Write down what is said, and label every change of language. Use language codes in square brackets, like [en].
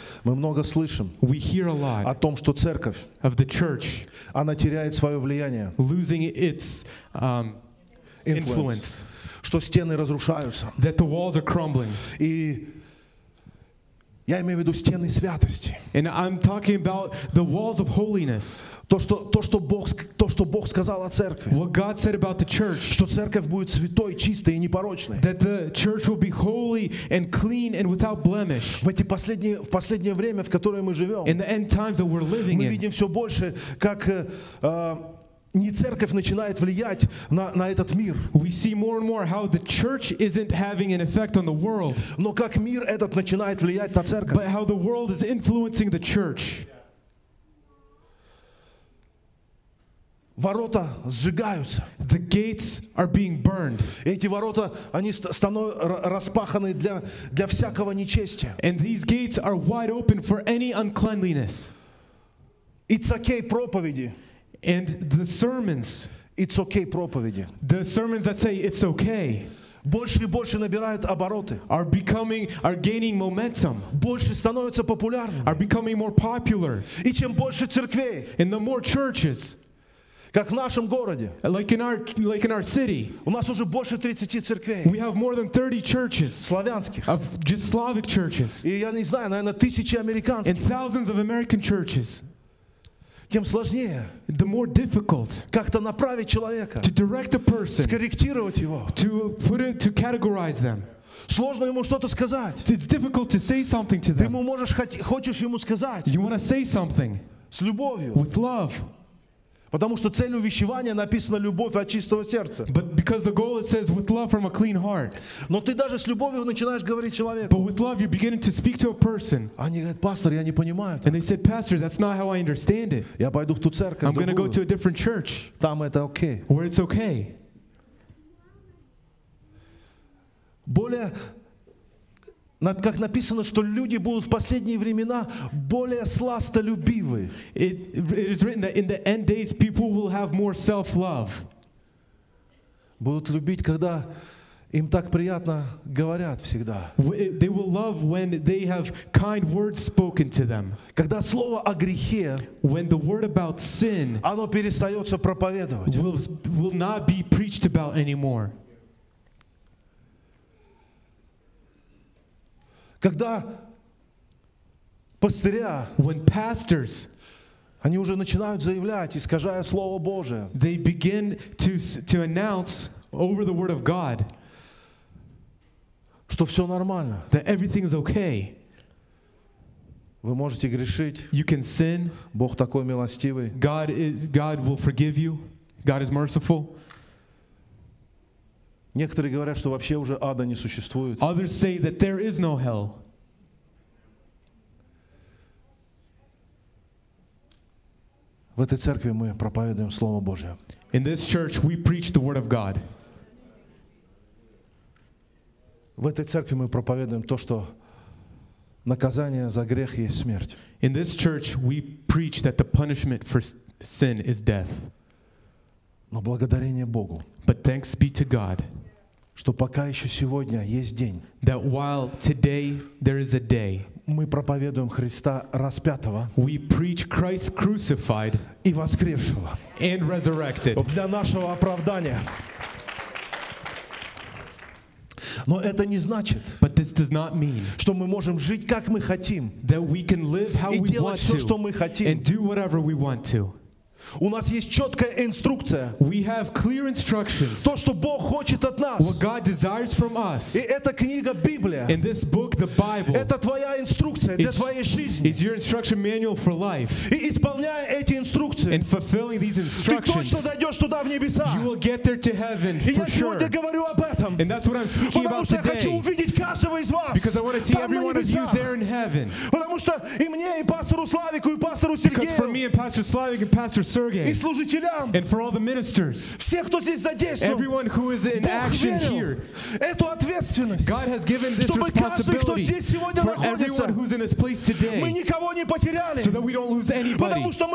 [ru] мы много слышим, [en] we hear a lot, [ru] о том, что церковь, [en] of the church, [ru] она теряет свое влияние, [en] losing its influence, [ru] что стены разрушаются, [en] that the walls are crumbling, [ru] и я имею в виду стены святости, [en] and I'm talking about the walls of holiness, [ru] то, что Бог сказал о церкви. [en] What God said about the church. [ru] Что церковь будет святой, чистой и непорочной. [en] That the church will be holy and clean and without blemish. [ru] В последнее время, в которое мы живем, [en] in the end times that we're living in, [ru] мы видим все больше, как не церковь начинает влиять на этот мир. [en] We see more and more how the church isn't having an effect on the world. [ru] Но как мир этот начинает влиять на церковь. [en] But how the world is influencing the church. [ru] Ворота сжигаются. [en] The gates are being burned. [ru] Эти ворота, они становятся распаханы для всякого нечестия. [en] And these gates are wide open for any uncleanliness. It's okay проповеди. And the sermons. It's okay проповеди. The sermons that say it's okay. [ru] Больше и больше набирают обороты. [en] Are gaining momentum. [ru] Больше становятся популярными. [en] Are becoming more popular. [ru] И чем больше церквей. [en] And the more churches. [ru] Как в нашем городе. [en] Like in our city. [ru] У нас уже больше 30 церквей. [en] We have more than 30 churches. [ru] Славянских. [en] Of just Slavic churches. [ru] И я не знаю, наверное, тысячи американских. [en] And thousands of American churches. [ru] Тем сложнее. [en] The more difficult. [ru] Как-то направить человека. [en] To direct a person. [ru] Скорректировать его. [en] To categorize them. [ru] Сложно ему что-то сказать. [en] It's difficult to say something to them. [ru] Ты ему хочешь ему сказать. [en] You want to say something. [ru] С любовью. [en] With love. [ru] Потому что цель увещевания написана «любовь от чистого сердца». [en] But because the goal it says with love from a clean heart. [ru] Но ты даже с любовью начинаешь говорить человеку. [en] But with love you're beginning to speak to a person. [ru] Они говорят, пастор, я не понимаю. [en] And they said, pastor, that's not how I understand it. [ru] Я пойду в ту церковь. [en] I'm going to go to a different church. [ru] Там это окей. [en] Where it's okay. [ru] Более как написано, что люди будут в последние времена более сластолюбивы. [en] It is written that in the end days people will have more self-love. [ru] Будут любить, когда им так приятно говорят всегда. [en] They will love when they have kind words spoken to them. [ru] Когда слово о грехе, [en] when the word about sin, [ru] оно перестается проповедовать. [en] Will not be preached about anymore. [ru] Когда пастыря, [en] when pastors, [ru] они уже начинают заявлять, искажая Слово Божие, [en] they begin to announce over the Word of God, [ru] что все нормально, [en] that everything is okay, [ru] вы можете грешить, [en] you can sin, [ru] Бог такой милостивый, [en] God will forgive you, God is merciful. [ru] Некоторые говорят, что вообще уже ада не существует. [en] Others say that there is no hell. [ru] В этой церкви мы проповедуем Слово Божие. [en] In this church we preach the Word of God. [ru] В этой церкви мы проповедуем то, что наказание за грех есть смерть. [en] In this church we preach that the punishment for sin is death. [ru] Но благодарение Богу. [en] But thanks be to God. [ru] Что пока еще сегодня есть день. [en] That while today there is a day. [ru] Мы проповедуем Христа распятого. [en] We preach Christ crucified. [ru] И воскресшего. [en] And resurrected. [ru] Для нашего оправдания. Но это не значит, [en] but this does not mean, [ru] что мы можем жить как мы хотим. [en] That we can live how [ru] и [en] we [ru] делать [en] want [ru] все, [en] to, [ru] что мы хотим. [en] And do whatever we want to. [ru] У нас есть четкая инструкция. [en] We have clear instructions. [ru] То, что Бог хочет от нас. [en] What God desires from us. [ru] И эта книга Библия. [en] And this book, the Bible. [ru] Это твоя инструкция для твоей жизни. [en] It's your instruction manual for life. [ru] И исполняя эти инструкции. [en] And fulfilling these instructions. [ru] Ты точно дойдешь туда в небеса. [en] You will get there to heaven for sure. [ru] И я сегодня говорю об этом. [en] And that's what I'm speaking about today. [ru] Потому что я хочу увидеть каждого из вас. [en] Because I want to see every one of you there in heaven. [ru] Потому что и мне, и пастору Славику, и пастору Сергею. [en] Because for me and Pastor Slavik and Pastor Sergei, and for all the ministers, everyone who is in action here, God has given this responsibility for everyone who's in this place today so that we don't lose anybody.